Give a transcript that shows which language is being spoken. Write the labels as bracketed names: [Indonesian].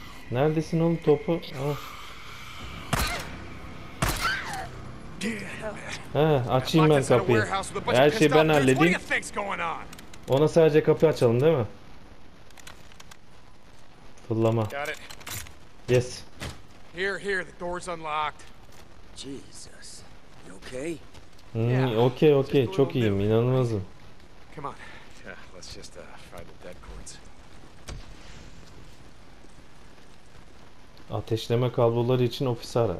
[Turkish] Neredesin oğlum topu? Ah. He, açayım ben kapıyı. Her şeyi ben halledeyim. Ona sadece kapıyı açalım değil mi? Fırlama. Yes. [English] Here, here, the door's unlocked. Jesus. You okay? Okay, okay. [Turkish] Çok iyiyim, inanılmazım. [English] Come on. Let's just find the dead cords. [Turkish] Ateşleme kabloları için ofisi ara.